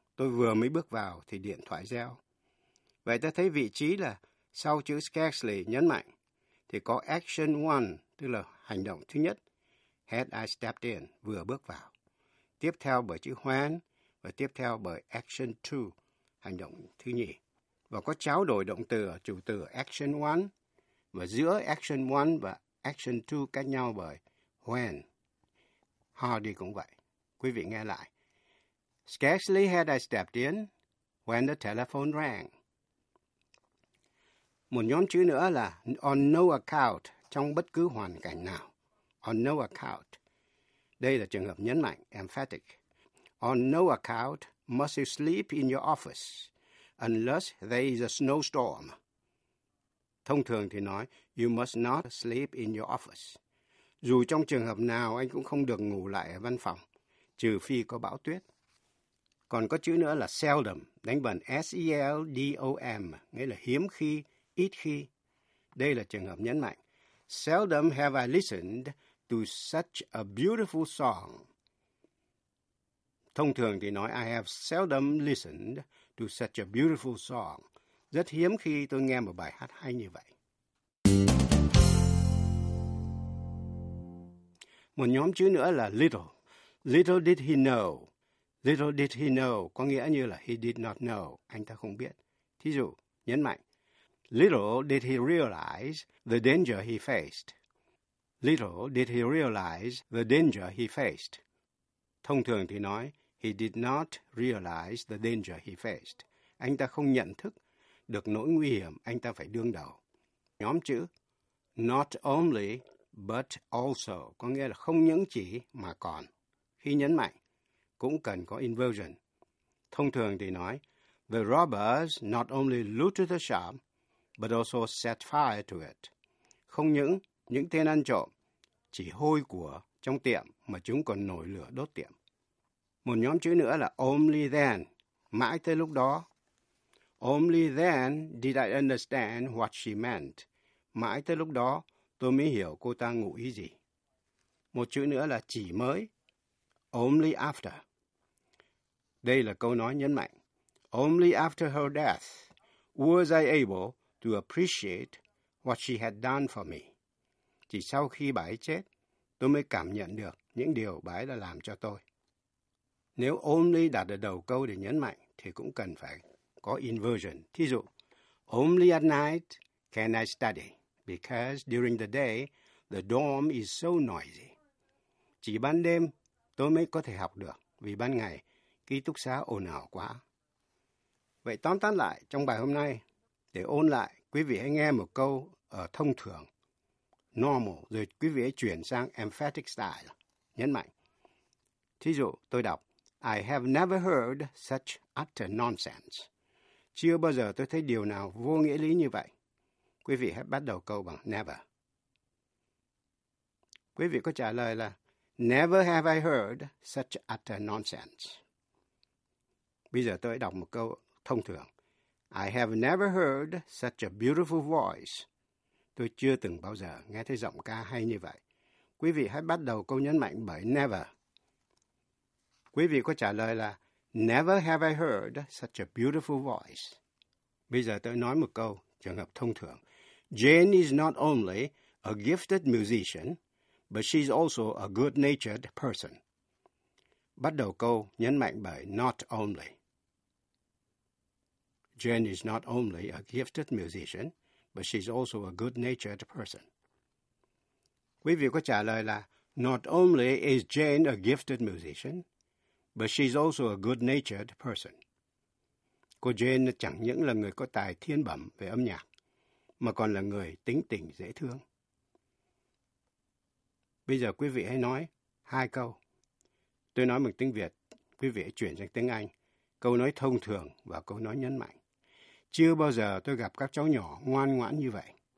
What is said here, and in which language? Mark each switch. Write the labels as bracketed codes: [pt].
[vi] Tôi vừa mới bước vào thì điện thoại reo. Vậy ta thấy vị trí là sau chữ scarcely nhấn mạnh, thì có action one, tức là hành động thứ nhất, [en] had I stepped in, [vi] vừa bước vào. Tiếp theo bởi chữ when, và tiếp theo bởi action two, hành động thứ nhì. Và có trao đổi động từ ở chủ từ action one, và giữa action one và action two cách nhau bởi when. Hardly cũng vậy. Quý vị nghe lại. [en] Scarcely had I stepped in when the telephone rang. [vi] Một nhóm chữ nữa là on no account, trong bất cứ hoàn cảnh nào. [en] On no account. [vi] Đây là trường hợp nhấn mạnh, emphatic. [en] On no account must you sleep in your office unless there is a snowstorm. [vi] Thông thường thì nói, [en] you must not sleep in your office. [vi] Dù trong trường hợp nào anh cũng không được ngủ lại ở văn phòng, trừ phi có bão tuyết. Còn có chữ nữa là seldom, đánh bằng S-E-L-D-O-M, nghĩa là hiếm khi, ít khi. Đây là trường hợp nhấn mạnh. [en] Seldom have I listened to such a beautiful song. [vi] Thông thường thì nói [en] I have seldom listened to such a beautiful song. [vi] Rất hiếm khi tôi nghe một bài hát hay như vậy. Một nhóm chữ nữa là little. [en] Little did he know. Little did he know [vi] có nghĩa như là [en] he did not know. [vi] Anh ta không biết. Thí dụ, nhấn mạnh. [en] Little did he realize the danger he faced. Little did he realize the danger he faced. [vi] Thông thường thì nói, [en] he did not realize the danger he faced. [vi] Anh ta không nhận thức được nỗi nguy hiểm anh ta phải đương đầu. Nhóm chữ not only but also có nghĩa là không những chỉ mà còn. Khi nhấn mạnh, cũng cần có inversion. Thông thường thì nói, [en] the robbers not only looted the shop, but also set fire to it. [vi] Không những tên ăn trộm chỉ hôi của trong tiệm mà chúng còn nổi lửa đốt tiệm. Một nhóm chữ nữa là only then, mãi tới lúc đó. [en] Only then did I understand what she meant. [vi] Mãi tới lúc đó, tôi mới hiểu cô ta ngụ ý gì. Một chữ nữa là chỉ mới, only after. Đây là câu nói nhấn mạnh. [en] Only after her death was I able to appreciate what she had done for me. [vi] Chỉ sau khi bà ấy chết, tôi mới cảm nhận được những điều bà ấy đã làm cho tôi. Nếu only đặt ở đầu câu để nhấn mạnh, thì cũng cần phải có inversion. Thí dụ, [en] only at night can I study, because during the day, the dorm is so noisy. [vi] Chỉ ban đêm, tôi mới có thể học được, vì ban ngày, ký túc xá ồn ào quá. Vậy tóm tắt lại trong bài hôm nay, để ôn lại, quý vị hãy nghe một câu ở thông thường, normal, rồi quý vị hãy chuyển sang emphatic style, nhấn mạnh. Thí dụ, tôi đọc, [en] I have never heard such utter nonsense. [vi] Chưa bao giờ tôi thấy điều nào vô nghĩa lý như vậy. Quý vị hãy bắt đầu câu bằng never. Quý vị có trả lời là [en] never have I heard such utter nonsense. [vi] Bây giờ tôi đọc một câu thông thường. [en] I have never heard such a beautiful voice. [vi] Tôi chưa từng bao giờ nghe thấy giọng ca hay như vậy. Quý vị hãy bắt đầu câu nhấn mạnh bởi never. Quý vị có trả lời là [en] never have I heard such a beautiful voice. [vi] Bây giờ tôi nói một câu, trường hợp thông thường. [en] Jane is not only a gifted musician, but she's also a good-natured person. [vi] Bắt đầu câu nhấn mạnh bởi not only. [en] Jane is not only a gifted musician, but she's also a good-natured person. [vi] Quý vị có trả lời là [en] not only is Jane a gifted musician, but she's also a good-natured person. [vi] Cô Jane chẳng những là người có tài thiên bẩm về âm nhạc, mà còn là người tính tình dễ thương. Bây giờ quý vị hãy nói hai câu. Tôi nói bằng tiếng Việt, quý vị hãy chuyển sang tiếng Anh. Câu nói thông thường và câu nói nhấn mạnh. Chưa bao giờ tôi gặp các cháu nhỏ ngoan ngoãn như vậy.